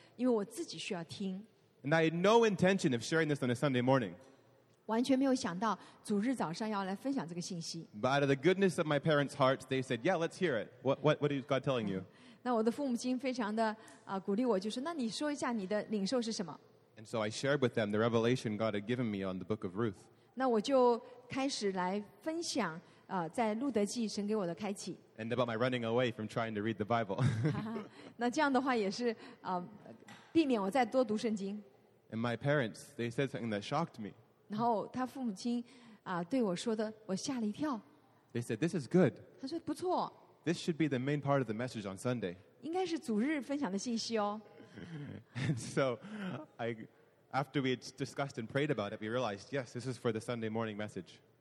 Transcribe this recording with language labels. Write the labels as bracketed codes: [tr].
[en] And I had no intention of sharing this on a Sunday morning. But out of the goodness of my parents' hearts, they said, yeah, let's hear it. What is God telling you? [zh] 那我的父母亲非常的鼓励我,就是那你说一下你的领受是什么? [en] And so I shared with them the revelation God had given me on the book of Ruth. [zh] 那我就开始来分享在路德记神给我的开启。 [en] And about my running away from trying to read the Bible. [zh] 那这样的话也是...避免我再多读圣经。 [en] And my parents, they said something that shocked me. [zh] 然后他父母亲对我说的，我吓了一跳。 [en] They said, this is good. [zh] 他说不错。 [en] This should be the main part of the message on Sunday. [zh] 应该是主日分享的信息哦。 [en] And so, after we had discussed and prayed about it, we realized, yes, this is for the Sunday morning message.